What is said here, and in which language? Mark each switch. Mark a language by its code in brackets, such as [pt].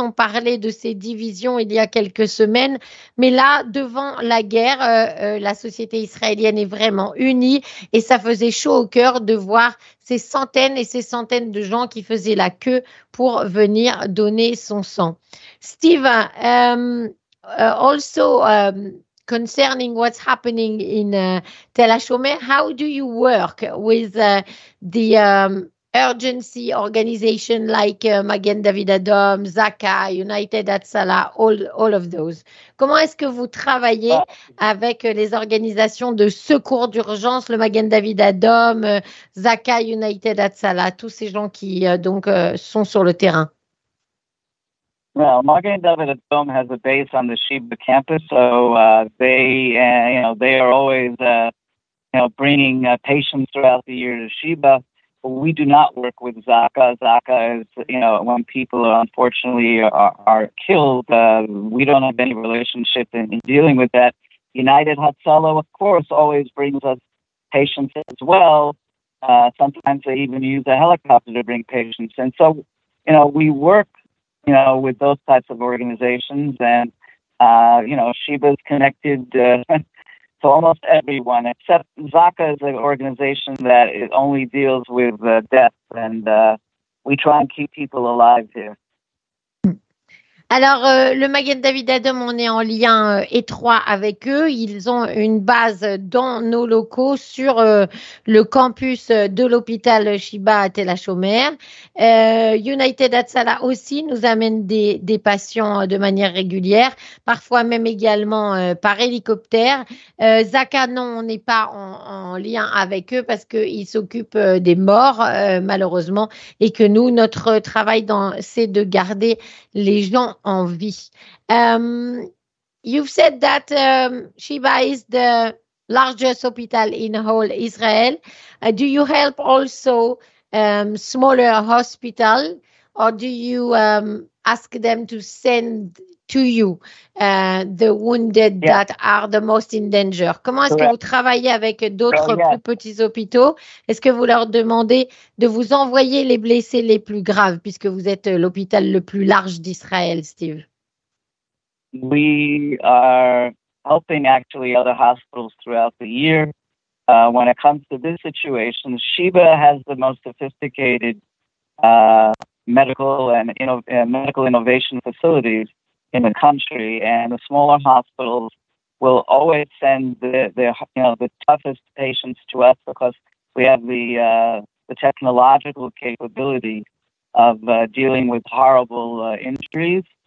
[fr] On parlait de ces divisions il y a quelques semaines. Mais là, devant la guerre, la société israélienne est vraiment unie. Et ça faisait chaud au cœur de voir ces centaines et ces centaines de gens qui faisaient la queue pour venir donner son sang. [en] Steve, also concerning what's happening in Tel HaShomer, how do you work with the urgency organization like Magen David Adom, Zaka, United Hatzala, all of those? [fr] Comment est-ce que vous travaillez avec les organisations de secours d'urgence, le Magen David Adom, Zaka, United Hatzala, tous ces gens qui donc sont sur le terrain? [en] Well, Magen David Adom has a base on the Sheba campus, so they are always bringing patients throughout the year to Sheba. We do not work with Zaka. Zaka is, when people unfortunately are killed, we don't have any relationship in dealing with that. United Hatzala, of course, always brings us patients as well. Sometimes they even use a helicopter to bring patients. And so, we work, with those types of organizations. And, Sheba is connected to almost everyone, except Zaka is an organization that it only deals with death, and we try and keep people alive here. [fr] Alors, le Magen David Adom, on est en lien étroit avec eux. Ils ont une base dans nos locaux sur le campus de l'hôpital Sheba à Tel HaShomer. United Hatzala aussi nous amène des patients de manière régulière, parfois même également par hélicoptère. Zaka, non, on n'est pas en lien avec eux parce qu'ils s'occupent des morts, malheureusement, et que nous, notre travail, c'est de garder les gens en vie. [en] You've said that Sheba is the largest hospital in whole Israel. Do you help also smaller hospital, or do you ask them to send to you the wounded that are the most in danger? [fr] Comment est-ce que vous travaillez avec d'autres plus petits hôpitaux? Est-ce que vous leur demandez de vous envoyer les blessés les plus graves, puisque vous êtes l'hôpital le plus large d'Israël, Steve? [en] We are helping actually other hospitals throughout the year. When it comes to this situation, Sheba has the most sophisticated medical innovation facilities in the country, and the smaller hospitals will always send the toughest patients to us because we have the technological capability of dealing with horrible injuries.